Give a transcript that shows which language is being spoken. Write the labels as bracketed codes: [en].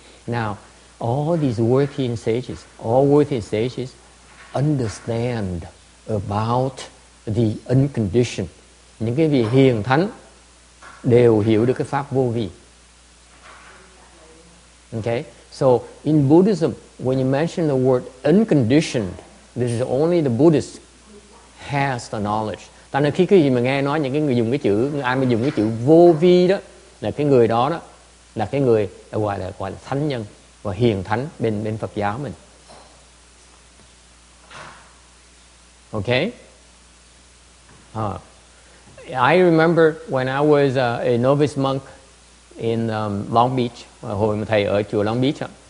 [en] Now, all these worthy sages, understand about the unconditioned. [vi] Những cái vị hiền thánh đều hiểu được cái pháp vô vi. [en] Okay. So in Buddhism, when you mention the word unconditioned, this is only the Buddhist has the knowledge. [vi] Tại nên khi cái gì mà nghe nói những cái người dùng cái chữ, ai mà dùng cái chữ vô vi đó, là cái người đó đó, là cái người gọi là thánh nhân và hiền thánh bên Phật giáo mình. [en] Okay. I remember when I was a novice monk in Long Beach, [vi] hồi mà thầy ở chùa Long Beach.